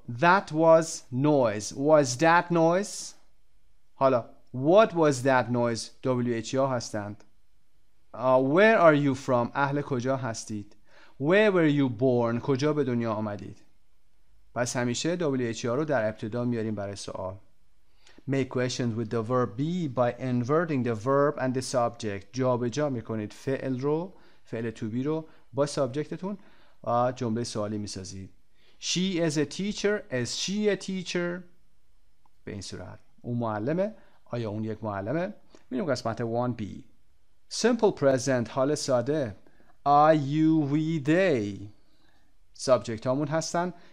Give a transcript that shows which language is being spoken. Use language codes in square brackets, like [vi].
[en] that was noise. was that noise؟ حالا what was that noise؟ [fa] WH ها هستند. [en] where are you from؟ [fa] اهل کجا هستید؟ [en] where were you born؟ [fa] کجا به دنیا آمدید؟ پس همیشه WH ها رو در ابتدا میاریم برای سوال. [en] Make questions with the verb be by inverting the verb and the subject. [fa] جا به جا میکنید فعل رو، فعل to be رو با سابجکتتون و جمله سوالی میسازید. [en] She is a teacher. Is she a teacher؟ [fa] به این صورت. اون معلمه؟ آیا اون یک معلمه؟ میرون قسمت 1B. [en] Simple present، [fa] حال ساده. [en] I, you, we, they [fa] سابجکت هامون هستن.